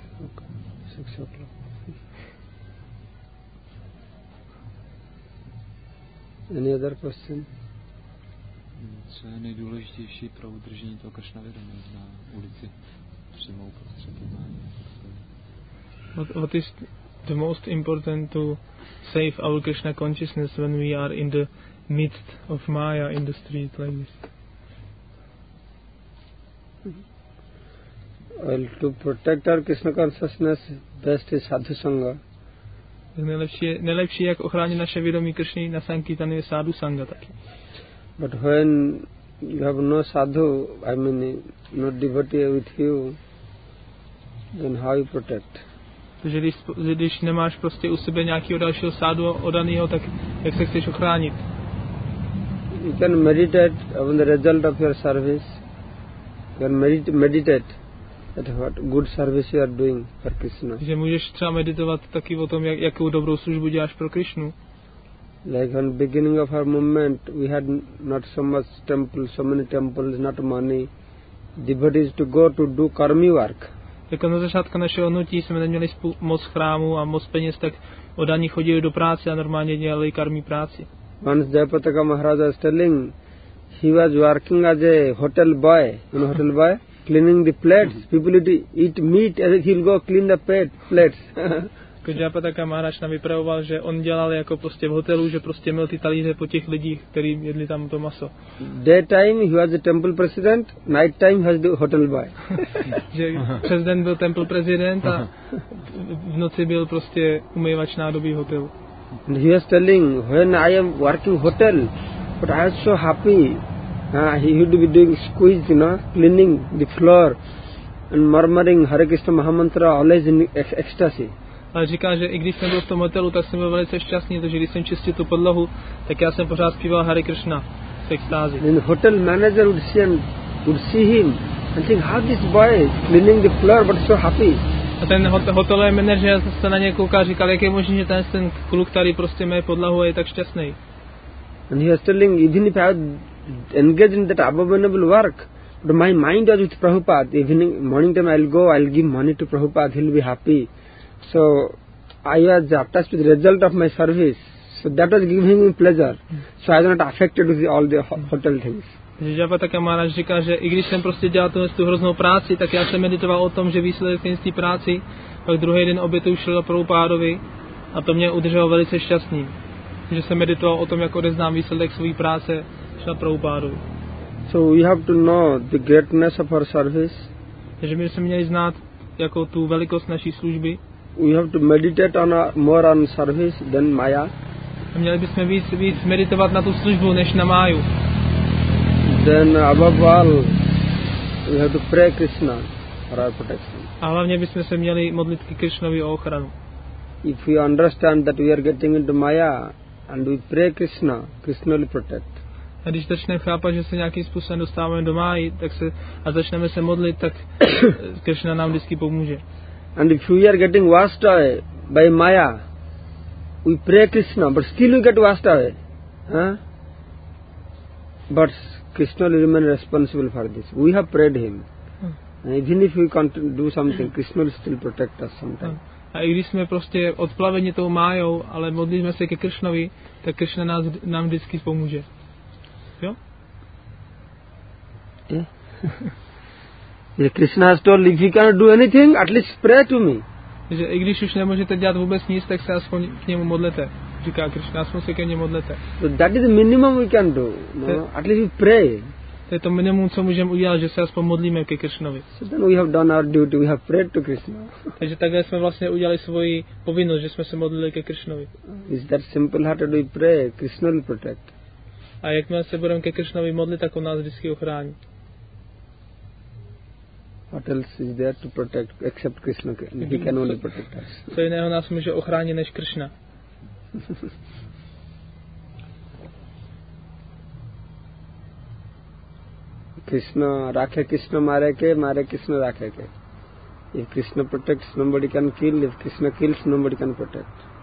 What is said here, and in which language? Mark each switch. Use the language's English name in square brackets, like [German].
[English] Okay. 6 o'clock. Any other question? [Czech] Co je nejdůležitější pro udržení toho kašnavědomí na ulici přímo uprostřed jednání? [English] What is the most important to save our Krishna consciousness when we are in the midst of Maya in the street like this? Well, to protect our Krishna consciousness, best is Sadhu Sangha. [Czech] Nejlepší, jak ochránit naše vědomí Krishny na Sankirtan, je Sadhu Sangha taky. [English] But when you have no sadhu, I mean no devotee with you, then how you protect? [Czech] Takže když nemáš prostě u sebe nějakého dalšího sadhu odaného, tak jak se chceš ochránit? [English] You can meditate on the result of your service. You can meditate at what good service you are doing for Krishna. [Czech] Takže můžeš třeba meditovat taky o tom, jakou dobrou službu děláš pro Krishnu. [English] Like on beginning of our movement, we had not so much temple, so many temples, not money. Devotees to go to do karmi work. [Czech] Jako na začátku našeho hnutí jsme neměli moc chrámů a moc peněz, tak odaní chodili do práce a normálně dělali karmi práci. [English] Once Jayapataka Maharaj was telling, he was working as a hotel boy, you know hotel boy, cleaning the plates. People would eat meat, and he'll go clean the plates. [Czech] Jayapataka Maharaj nám vypravoval, že on dělal jako prostě v hotelu, že prostě měl ty talíře po těch lidích, kteří jedli tam to maso. [English] Daytime he was the temple president, night time he was the hotel boy. [Czech] Že přes den byl temple president a v noci byl prostě umývač nádobí hotelu. [English] And he was telling, when I am working hotel, but I was so happy, he would be doing squeeze, you know, cleaning the floor and murmuring Hare Krishna Mahamantra always in ecstasy. [Czech] Ale říká, že i když jsem byl v tom hotelu, tak jsem byl velice šťastný, protože když jsem čistil tu podlahu, tak já jsem pořád zpíval Hare Krishna v extázi. [English] Then hotel manager would see him and think, how this boy is cleaning the floor but so happy. [Czech] A ten hotelový manager se na něj kouká, říkal, jak je možný, že ten kluk tady prostě má podlahu a je tak šťastný. [English] And he was telling, even if I had engaged in that abominable work, but my mind was with Prabhupada, evening, morning time I'll go, I'll give money to Prabhupada, he'll be happy. So I was attached to the result of my service, so that was giving me pleasure. So I was not affected with all the hotel things. [Czech] Jayapataka Maharaj říká, že i když jsem prostě dělal tu hroznou práci, tak já jsem meditoval o tom, že výsledek z té práci, pak druhý den obětuju šel do Prabhupádovi a to mě udrželo velice šťastný. Že jsem meditoval o tom, jak odeznám výsledek své práce, šel do Prabhupádovi. [English] So we have to know the greatness of our service. [Czech] Takže my jsme měli znát jako tu velikost naší služby. [English] We have to meditate on more on service than Maya. [Czech] Měli bychom víc meditovat na tu službu než na Maju. [English] Then above all, we have to pray Krishna for our protection. [Czech] A hlavně bychom se měli modlit ke Krishnovi o ochranu. [English] If we understand that we are getting into Maya and we pray Krishna, Krishna will protect. [Czech] A když začneme chápat, že se nějakým způsobem dostáváme do Máji, tak se a začneme se modlit, tak Krishna nám vždycky pomůže. [English] And if we are getting washed away by Maya, we pray Krishna, but still we get washed away. Huh? But Krishna will remain responsible for this. We have prayed him. And even if we can't do something, Krishna will still protect us sometime. [Czech] A i když jsme prostě odplaveni tou Májou, ale modlíme se ke Krishnovi, tak Krishna nám vždycky pomůže. Jo? [English] Yeah. Krishna has told, if you cannot do anything, at least pray to me. [Czech] Že i když už nemůžete dělat vůbec nic, tak se aspoň k němu modlete. Říká Krishna, aspoň se ke němu modlete. [English] So that is the minimum we can do. No? At least we pray. [Czech] To je to minimum, co můžeme udělat, že se aspoň modlíme ke Krishnovi. [English] So then we have done our duty, we have prayed to Krishna. [Czech] Takže takhle jsme vlastně udělali svoji povinnost, že jsme se modlili ke Krishnovi. [English] Is that simple hearted we pray, Krishna will protect. [Czech] A jakmile se budeme ke Krishnovi modlit, tak on nás vždycky ochrání. [English] What else is there to protect except Krishna? He can only protect us. [Czech] Co jiného nás může ochránit než Krishna? [Bangla] Krishna, rakhe Krishna mare ke, mare Krishna rakhe ke. [English] If Krishna protects, nobody can kill. If Krishna kills, nobody can protect.